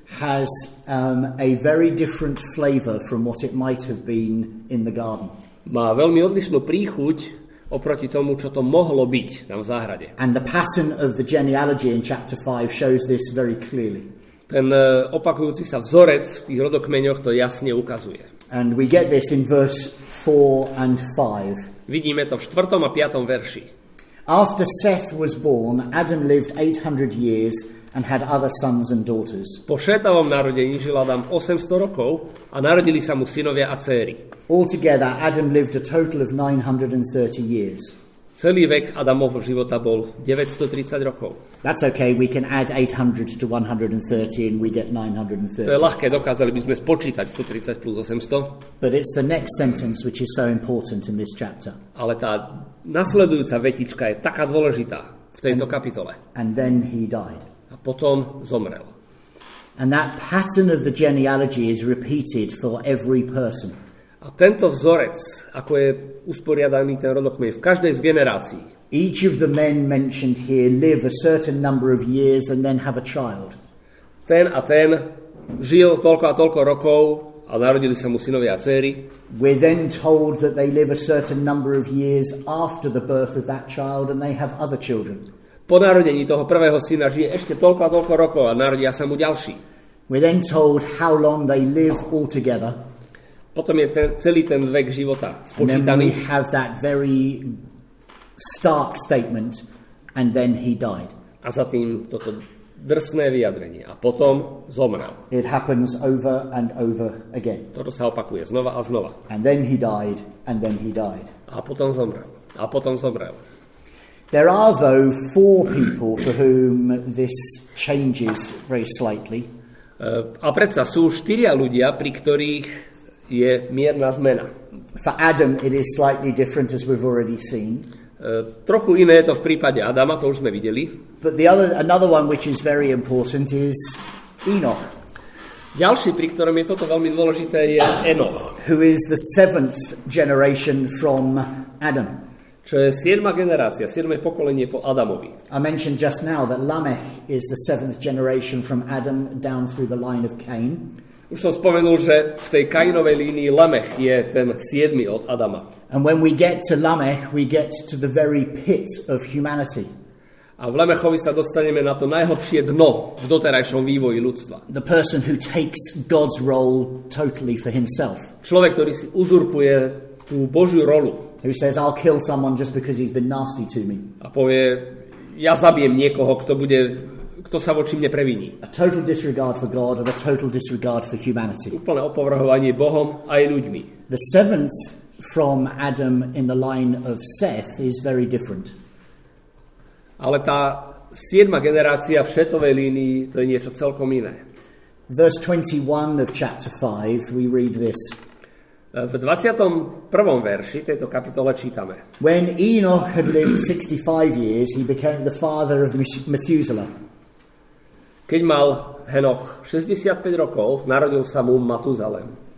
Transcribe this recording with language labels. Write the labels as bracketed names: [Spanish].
[English] has a very different flavor from what it might have been in the garden. [Slovak] Má veľmi odlišnú príchuť oproti tomu, čo to mohlo byť tam v záhrade. [English] And the pattern of the genealogy in chapter 5 shows this very clearly. [Slovak] Ten opakujúci sa vzorec v tých rodokmeňoch to jasne ukazuje. [English] And we get this in verse 4 and 5. [Slovak] Vidíme to v 4. a 5. verši. [English] After Seth was born, Adam lived 800 years and had other sons and daughters. [Slovak] Po Šétovom narodení žil Adam 800 rokov a narodili sa mu synovia a céry. [English] Altogether, Adam lived a total of 930 years. [Slovak] Celý vek Adamovho života bol 930 rokov. [English] That's okay, we can add 800 to 130 and we get 930. [Slovak] To je ľahké, dokázali by sme spočítať 130 plus 800. [English] But it's the next sentence which is so important in this chapter. [Slovak] Ale tá nasledujúca vetička je taká dôležitá v tejto kapitole. [English] And then he died. [Slovak] A potom zomrel. [English] And that pattern of the genealogy is repeated for every person. [Slovak] A tento vzorec, ako je usporiadaný ten rodokmeň v každej z generácií. [English] Each of the men mentioned here live a certain number of years and then have a child. [Slovak] Ten a ten žil toľko a toľko rokov a narodili sa mu synovia a dcery. [English] We're then told that they live a certain number of years after the birth of that child and they have other children. [Slovak] Po narodení toho prvého syna žije ešte toľko a toľko rokov a narodia sa mu ďalší. [English] We're then told how long they live altogether. [Slovak] Potom je celý ten vek života spočítaný. [English] We have that very stark statement and then he died. [Slovak] A za tým toto drsné vyjadrenie a potom zomrel. [English] It happens over and over again. [Slovak] Toto sa opakuje znova a znova. [English] And then he died and then he died. [Slovak] A potom zomrel. A potom zomrel. [English] There are though four people for whom this changes very slightly. [Slovak] A predsa sú štyria ľudia, pri ktorých je mierna zmena. [English] For Adam it is slightly different as we've already seen. [Slovak] Trochu iné je to v prípade Adama, to už sme videli. [English] But another one which is very important is Enoch. [Slovak] Ďalší, pri ktorom je toto veľmi dôležité, je Enoch. [English] Who is the seventh generation from Adam. [Slovak] Čo je siedma generácia, siedme pokolenie po Adamovi. [English] I mentioned just now that Lamech is the seventh generation from Adam down through the line of Cain. [Slovak] Už som spomenul, že v tej Kainovej línii Lamech je ten siedmy od Adama. [English] And when we get to Lamech, we get to the very pit of humanity. [Slovak] A v Lamechovi sa dostaneme na to najhlbšie dno v doterajšom vývoji ľudstva. [English] The person who takes God's role totally for himself. [Slovak] Človek, ktorý si uzurpuje tú Božiu rolu. [English] Who says, I'll kill someone just because he's been nasty to me. [Slovak] A povie, ja zabijem niekoho, kto sa voči mne previní. [English] A total disregard for God and a total disregard for humanity. [Slovak] Úplne opovrhovanie Bohom aj ľuďmi. [English] The seventh from Adam in the line of Seth is very different. [Slovak] Ale tá siedma generácia v Šetovej línii, to je niečo celkom iné. [English] Verse 21 of chapter 5, we read this. [Slovak] V 21. verši tejto kapitole čítame. [English] When Enoch had lived 65 years, he became the father of Methuselah. [Slovak] Keď mal Henoch 65 rokov, narodil sa mu Matuzalem.